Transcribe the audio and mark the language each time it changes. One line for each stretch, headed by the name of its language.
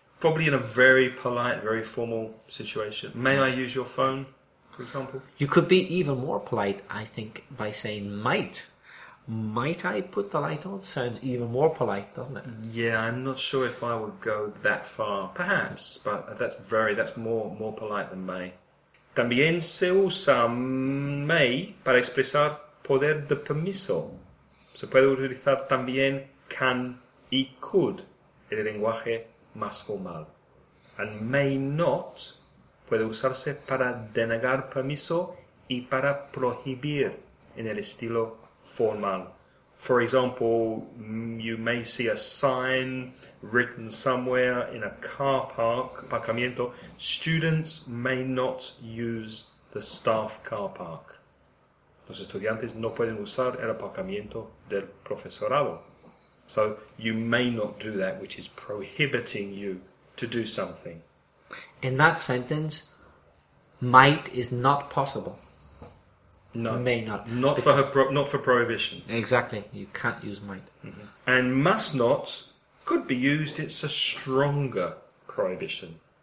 English: Probably in a very polite, very formal situation. May I use your phone? For example, you could be even more polite, I think, by saying might. Might I put the light on? Sounds even more polite, doesn't it? Yeah, I'm not sure if I would go that far. Perhaps, but that's more polite than may.
Spanish: También se usa may para expresar poder de permiso. Se puede utilizar también can y could en el lenguaje más formal. And may not puede usarse para denegar permiso y para prohibir en el estilo formal.
English: For example, you may see a sign written somewhere in a car park, aparcamiento, students may not use the staff car park.
Spanish: Los estudiantes no pueden usar el aparcamiento del profesorado.
English: So you may not do that, which is prohibiting you to do something. In that sentence, might is not possible. No. May not. Not for prohibition. Exactly. You can't use might. Mm-hmm. And must not could be used. It's a stronger prohibition.